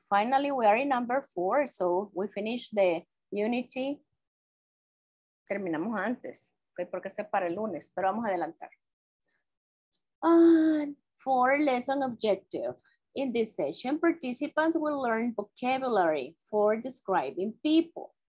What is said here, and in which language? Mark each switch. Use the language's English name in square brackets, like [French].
[English] Finally, we are in number 4, so we finished the unity. [Spanish] Terminamos antes, okay, porque este es para el lunes, pero vamos a adelantar. [English] For lesson objective. In this session, participants will learn vocabulary for describing people.